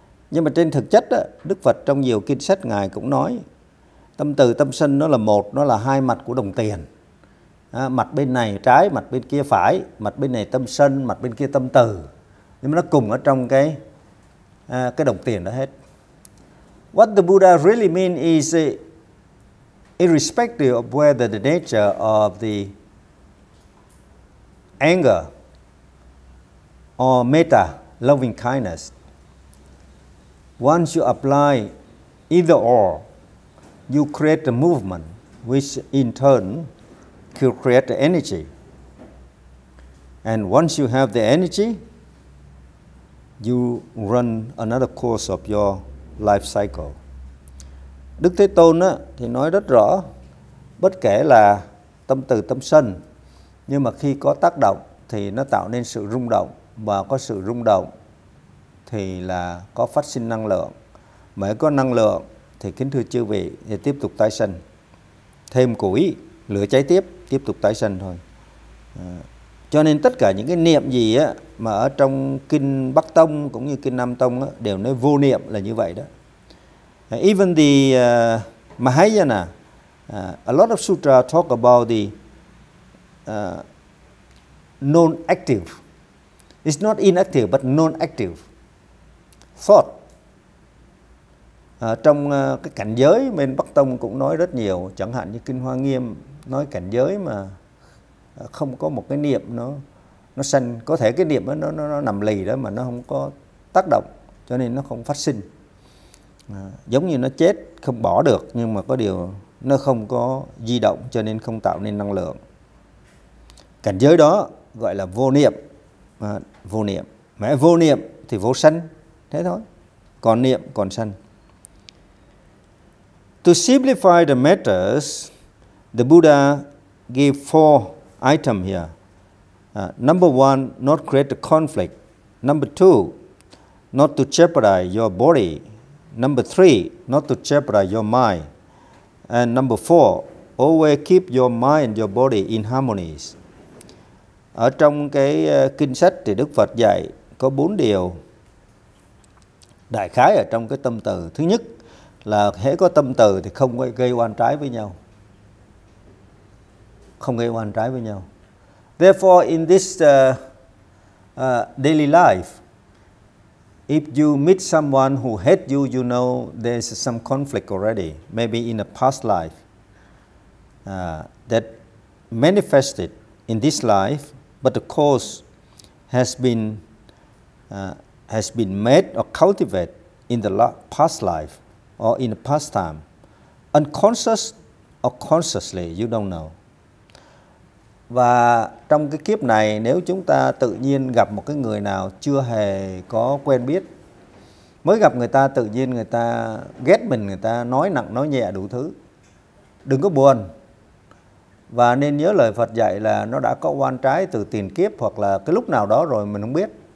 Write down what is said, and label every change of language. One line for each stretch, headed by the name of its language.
Vietnamese: Nhưng mà trên thực chất Đức Phật trong nhiều kinh sách Ngài cũng nói tâm từ, tâm sân nó là một, nó là hai mặt của đồng tiền. Mặt bên này trái, mặt bên kia phải, mặt bên này tâm sân, mặt bên kia tâm từ. Nhưng mà nó cùng ở trong cái đồng tiền đó hết.
English: What the Buddha really mean is irrespective of whether the nature of the anger or metta, loving kindness, once you apply either or, you create a movement which in turn could create the energy. And once you have the energy, you run another course of your life cycle.
Vietnamese: Đức Thế Tôn thì nói rất rõ, bất kể là tâm từ tâm sân, nhưng mà khi có tác động thì nó tạo nên sự rung động, và có sự rung động thì là có phát sinh năng lượng. Mới có năng lượng thì kính thưa chư vị thì tiếp tục tái sinh, thêm củi lửa cháy tiếp, tiếp tục tái sinh thôi. Cho nên tất cả những cái niệm gì mà ở trong kinh Bắc Tông cũng như kinh Nam Tông đều nói vô niệm là như vậy đó.
English: Even the Mahayana, a lot of sutra talk about the non-active. It's not inactive, but non-active thought.
Vietnamese: Trong cái cảnh giới, bên Bắc Tông cũng nói rất nhiều. Chẳng hạn như kinh Hoa Nghiêm nói cảnh giới mà không có một cái niệm nó sanh. Có thể cái niệm nó nằm lì đó mà nó không có tác động, cho nên nó không phát sinh. Giống như nó chết không bỏ được, nhưng mà có điều nó không có di động, cho nên không tạo nên năng lượng. Cảnh giới đó gọi là vô niệm. Vô niệm, mà vô niệm thì vô sanh, thế thôi. Còn niệm còn sanh.
English: To simplify the matters, the Buddha gave four items here. Number one, not create a conflict. Number two, not to jeopardize your body. Number three, not to jeopardize your mind. And number four, always keep your mind and your body in harmony.
Vietnamese: Ở trong cái kinh sách thì Đức Phật dạy có bốn điều đại khái ở trong cái tâm từ. Thứ nhất là hễ có tâm từ thì không gây oan trái với nhau. Không gây oan trái với nhau.
English: Therefore, in this daily life, if you meet someone who hates you, you know there's some conflict already, maybe in a past life, that manifested in this life, but the cause has been made or cultivated in the past life or in the past time, unconscious or consciously, you don't know.
Vietnamese: Và trong cái kiếp này, nếu chúng ta tự nhiên gặp một cái người nào chưa hề có quen biết, mới gặp người ta tự nhiên người ta ghét mình, người ta nói nặng nói nhẹ đủ thứ, đừng có buồn. Và nên nhớ lời Phật dạy là nó đã có oan trái từ tiền kiếp hoặc là cái lúc nào đó rồi mình không biết.